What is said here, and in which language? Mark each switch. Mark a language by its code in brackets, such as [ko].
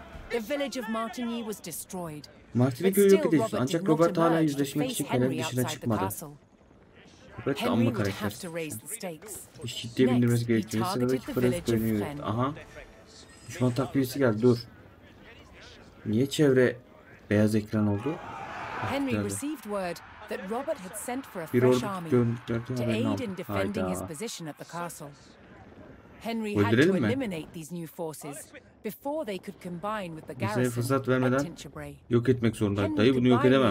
[en] The village of Martigny was destroyed. [tr] Martini köyü yok ediyorsun. Ancak Robert hala yüzleşmek için kalenin dışına çıkmadı. Robert de amma karakter. Bir ciddiye bindirmesi gerekiyor. Sıradaki Frens köyünü yürüttü. Aha. Düşman takviyesi geldi. Dur. Niye çevre beyaz ekran oldu? [en] Henry received word that Robert had sent for a fresh army to aid in defending his position at the castle. Henry had to eliminate these new forces before they could combine with the garrison. [tr] Bize fırsat vermeden yok etmek zorunda. Dayı bunu yok edemem.